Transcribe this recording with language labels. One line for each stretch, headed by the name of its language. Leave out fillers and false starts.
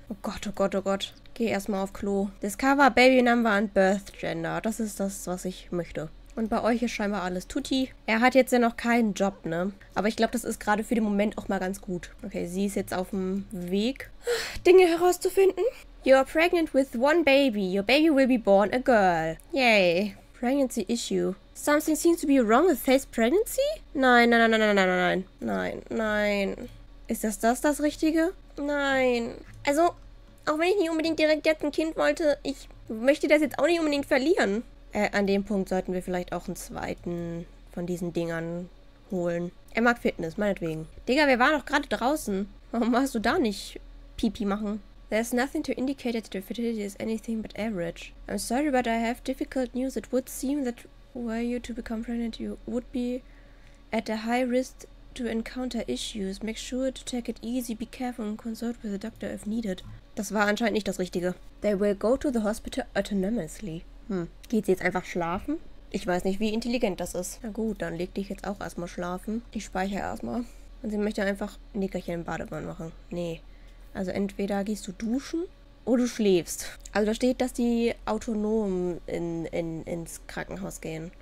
German: Oh Gott, oh Gott, oh Gott. Geh erstmal auf Klo.
English: Discover Baby Number and Birth Gender.
German: Das ist das, was ich möchte. Und bei euch ist scheinbar alles tutti. Er hat jetzt ja noch keinen Job, ne? Aber ich glaube, das ist gerade für den Moment auch mal ganz gut. Okay, sie ist jetzt auf dem Weg, Dinge herauszufinden.
English: You're pregnant with one baby. Your baby will be born a girl. Yay. Pregnancy issue. Something seems to be wrong with Faith's pregnancy?
German: Nein, nein, nein, nein, nein, nein, nein. Nein, nein. Ist das Richtige? Nein. Also, auch wenn ich nicht unbedingt direkt jetzt ein Kind wollte, ich möchte das jetzt auch nicht unbedingt verlieren. An dem Punkt sollten wir vielleicht auch einen zweiten von diesen Dingern holen. Er mag Fitness, meinetwegen. Digga, wir waren doch gerade draußen. Warum machst du da nicht Pipi machen?
English: There's nothing to indicate that the fertility is anything but average. I'm sorry, but I have difficult news. It would seem that were you to become pregnant, you would be at a high risk to encounter issues. Make sure to take it easy, be careful and consult with a doctor if needed.
German: Das war anscheinend nicht das Richtige.
English: They will go to the hospital autonomously.
German: Geht sie jetzt einfach schlafen? Ich weiß nicht, wie intelligent das ist. Na gut, dann leg dich jetzt auch erstmal schlafen. Ich speichere erstmal. Und sie möchte einfach Nickerchen im Badewanne machen. Nee. Also entweder gehst du duschen oder du schläfst. Also da steht, dass die autonom ins Krankenhaus gehen.